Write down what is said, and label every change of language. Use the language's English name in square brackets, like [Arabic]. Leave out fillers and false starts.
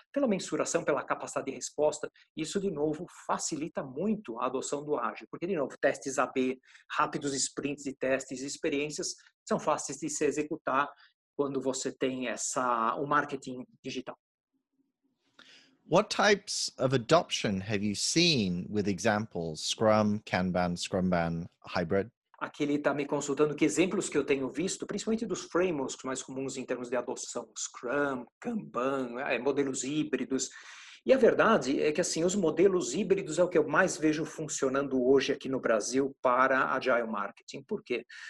[Portuguese] Pela mensuração, pela capacidade de resposta, isso, de novo, facilita muito a adoção do ágil. Porque, de novo, testes AB, rápidos sprints de testes, experiências, são fáceis de se executar quando você tem o marketing digital. [English] What types of adoption have you seen with examples, Scrum, Kanban, Scrumban, hybrid? [Portuguese] Aqui ele está me consultando que exemplos que eu tenho visto, principalmente dos frameworks mais comuns em termos de adoção, Scrum, Kanban, modelos híbridos. E a verdade é que assim, os modelos híbridos é o que eu mais vejo funcionando hoje aqui no Brasil para Agile Marketing. Por quê?